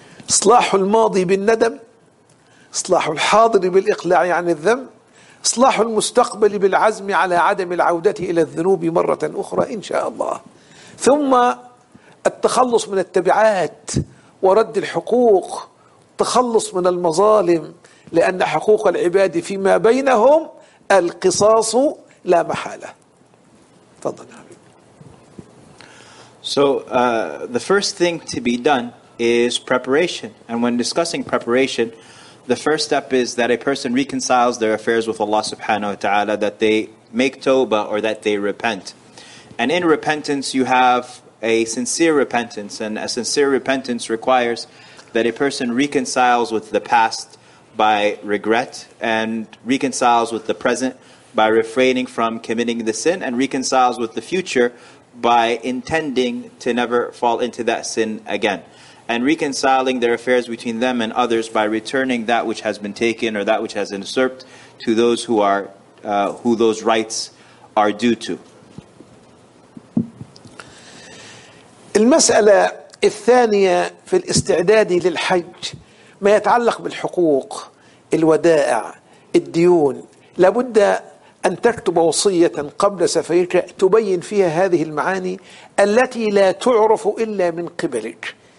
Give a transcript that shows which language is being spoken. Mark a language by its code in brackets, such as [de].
[ar] إصلاح الماضي بالندم، إصلاح الحاضر بالإقلاع عن الذنب، إصلاح المستقبل بالعزم على عدم العودة إلى الذنوب مرة أخرى إن شاء الله، ثم التخلص من التبعات ورد الحقوق، تخلص من المظالم، لأن حقوق العباد فيما بينهم القصاص لا محالة. تفضل. [en] So the first thing to be done is preparation. And when discussing preparation, the first step is that a person reconciles their affairs with Allah subhanahu wa ta'ala, that they make tawbah or that they repent. And in repentance, you have a sincere repentance. And a sincere repentance requires that a person reconciles with the past by regret and reconciles with the present by refraining from committing the sin and reconciles with the future by intending to never fall into that sin again, and reconciling their affairs between them and others by returning that which has been taken or that which has been usurped to those who are who those rights are due to. [ar] المسألة الثانية في الاستعداد للحج ما يتعلق بالحقوق الودائع الديون لابد أن تكتب وصية قبل سفرك تبين فيها هذه المعاني التي لا تعرف إلا من قبلك